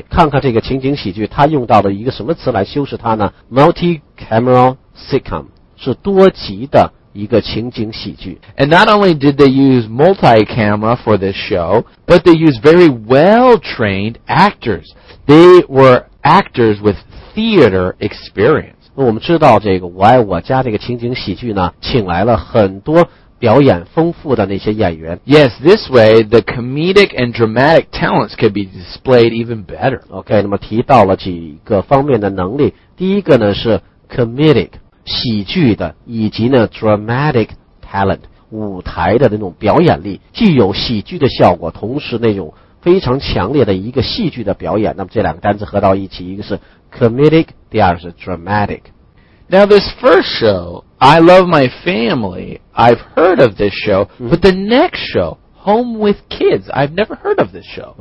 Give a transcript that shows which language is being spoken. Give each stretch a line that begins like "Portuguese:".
Chinese: Right, 看看这个情景喜剧，它用到了一个什么词来修饰它呢 ？Multi-camera sitcom 是多集的一个情景喜剧。
English: And not only did they use multi-camera for this show, but they used very well-trained actors. They were actors with theater experience.
Chinese: 我们知道这个我爱我家这个情景喜剧呢，请来了很多。表演丰富的那些演员。
English: Yes, this way, the comedic and dramatic talents could be displayed even better.
Chinese: Okay, 那么提到了几个方面的能力。第一个呢是 comedic, 喜剧的以及呢 dramatic talent, 舞台的那种表演力。既有喜剧的效果同时那种非常强烈的一个戏剧的表演。那么这两个单词合到一起，一个是 comedic， 第二是 dramatic。
English: Now this first show, I Love My Family, I've heard of this show, but the next show, Home with Kids, I've never heard of this show.